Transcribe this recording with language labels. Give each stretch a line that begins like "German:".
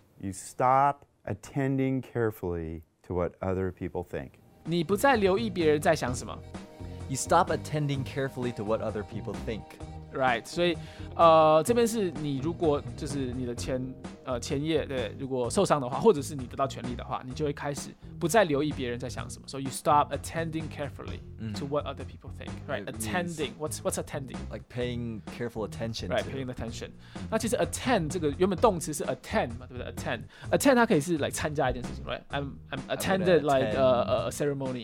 English: You stop attending carefully to what other people think.
Chinese: 你不再留意别人在想什么。
English: You stop attending carefully to what other people think. Right,
Chinese: 所以这边是你如果就是你的前夜对，如果受伤的话，或者是你得到权利的话，你就会开始不再留意别人在想什么。
English: So you stop attending carefully to what other people think. Right, attending. What's attending? Like paying careful attention. Right, paying attention.
Chinese: 那其实 attend 这个原本动词是 attend 嘛，对不对 ？Attend.
English: Attend
Chinese: 它可以是
English: like
Chinese: 参加一件事情
English: ，right? I'm attended like a ceremony.